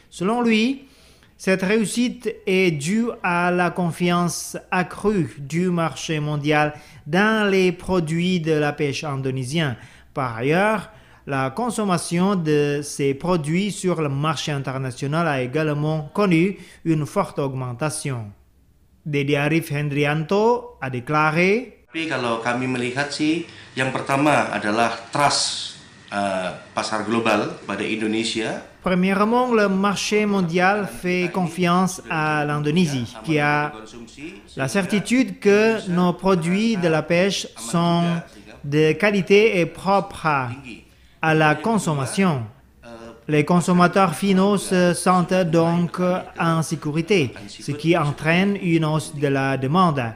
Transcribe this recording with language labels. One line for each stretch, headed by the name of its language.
French: Selon lui, cette réussite est due à la confiance accrue du marché mondial dans les produits de la pêche indonésien. Par ailleurs, la consommation de ces produits sur le marché international a également connu une forte augmentation. Dedi Arif Hendrianto a déclaré:
Indonesian: "Tapi kalau kami melihat sih, yang pertama adalah trust pasar global pada Indonesia.
French: Premièrement, le marché mondial fait confiance à l'Indonésie, qui a la certitude que nos produits de la pêche sont de qualité et propres à la consommation. Les consommateurs finaux se sentent donc en sécurité, ce qui entraîne une hausse de la demande.